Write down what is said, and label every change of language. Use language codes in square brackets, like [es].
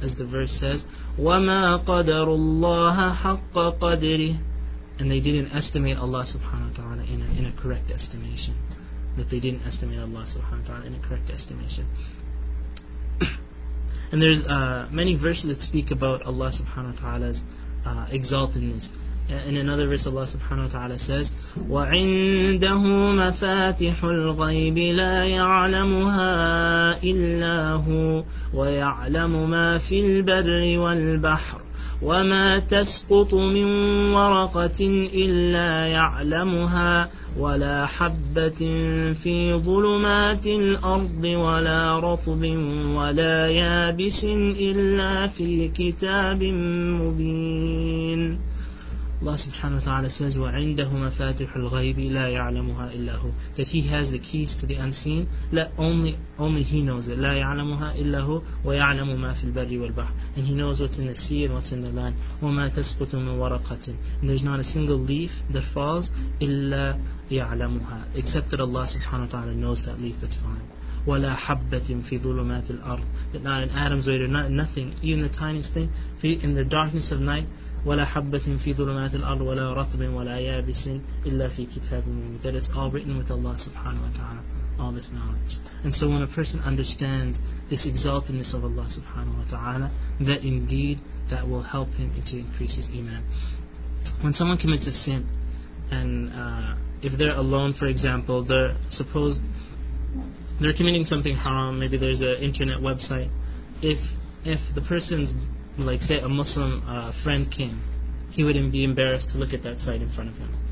[en] As the verse says, [ar] وَمَا قَدَرُ اللَّهَ حَقَّ قَدْرِهِ, [en] and they didn't estimate Allah subhanahu wa ta'ala in a correct estimation. That they didn't estimate Allah subhanahu wa ta'ala in a correct estimation. And there's many verses that speak about Allah subhanahu wa ta'ala's exaltedness. In another verse, Allah subhanahu wa ta'ala says, [ar] وَعِنْدَهُ مَفَاتِحُ الْغَيْبِ لَا يَعْلَمُهَا إِلَّا هُوَ وَيَعْلَمُ مَا فِي الْبَرِّ وَالْبَحْرِ وَمَا تَسْقُطُ مِنْ وَرَقَةٍ إِلَّا يَعْلَمُهَا وَلَا حَبَّةٍ فِي ظُلُمَاتِ الْأَرْضِ وَلَا رَطْبٍ وَلَا يَابِسٍ إِلَّا فِي كِتَابٍ مُبِينٍ. [en] Allah subhanahu wa ta'ala says, [ar] وَعِنْدَهُ مَفَاتِحُ الْغَيْبِ لَا يَعْلَمُهَا إِلَّا هُ, [en] that he has the keys to the unseen, only he knows it. [ar] لَا يَعْلَمُهَا إِلَّا هُ وَيَعْلَمُ مَا فِي الْبَرِّ وَالْبَحْرِ, [en] and he knows what's in the sea and what's in the land. [ar] وَمَا تَسْقُطُ مِنْ وَرَقَةٍ, [en] and there's not a single leaf that falls, [ar] إِلَّا يَعْلَمُهَا, [en] except that Allah subhanahu wa ta'ala knows that leaf that's falling. [ar] وَلَا حَبَّةٍ فِي ظُلُمَاتِ الْأَرْضِ, [en] that not an atom's weight, or not nothing, even the tiniest thing, in the darkness of night. [ar] ولا حبة في ظلمات الأرض ولا رطب ولا يابس إلا في كتاب مبين, [en] that it's all written with Allah subhanahu wa ta'ala, all this knowledge. And so when a person understands this exaltedness of Allah subhanahu wa ta'ala, that indeed that will help him to increase his iman. When someone commits a sin, and if they're alone, for example, they're committing something haram, maybe there's an internet website, if the person's, like say a Muslim friend came, he wouldn't be embarrassed to look at that site in front of him.